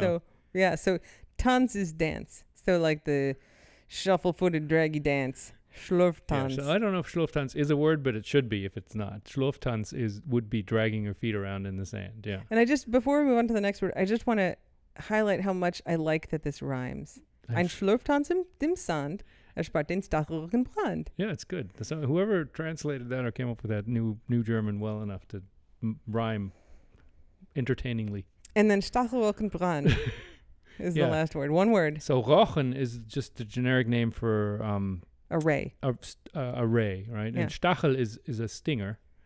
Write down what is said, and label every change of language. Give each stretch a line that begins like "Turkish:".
English: So, yeah. So tanz is dance. So like the shuffle-footed draggy dance, Schlurftanz. Yeah, so I don't know if Schlurftanz is a word, but it should be if it's not. Schlurftanz would be dragging your feet around in the sand, yeah. And I just, before we move on to the next word, I just want to highlight how much I like that this rhymes.
German: Ein Schlurftanz im Sand, erspart den Stachelbrochenbrand.
English: Yeah, it's good. Whoever translated that or came up with that new German well enough to rhyme entertainingly. And then Stachelbrochenbrand. is the last word. One word. So rochen is just the generic name for a ray. A ray, right? Yeah. And stachel is a stinger.